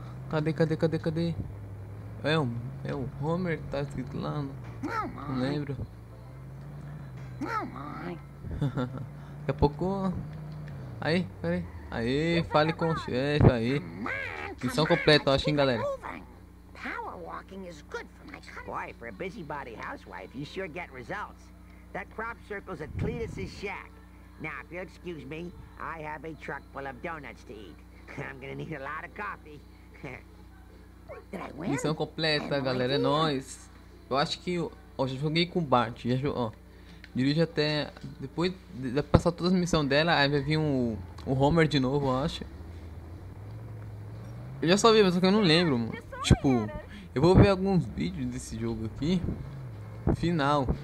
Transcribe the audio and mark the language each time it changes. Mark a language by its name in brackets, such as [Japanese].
[Portuguese] Cadê, cadê, cadê, cadê? É o Homer que tá escrito lá, no... não lembro. Daqui a pouco. Aí, peraí. Aí, fale com o chefe, aí. Missão completa, acho, hein, galera. [English] Power walking is good for my boy, for a busybody housewife, you sure get results. That crop circle's at Cletus's shack. Now, if you'll excuse me, I have a truck full of donuts to eat. I'm gonna need a lot of coffee. Did I win? [Portuguese] Missão completa, galera. É nóis. Eu acho que... Ó, já joguei com o Bart. Já ó. Dirige até... Depois de passar todas as missões dela, aí vai vir o Homer de novo, eu acho. Eu já sabia, mas só que eu não lembro, mano. Tipo, eu vou ver alguns vídeos desse jogo aqui. Final.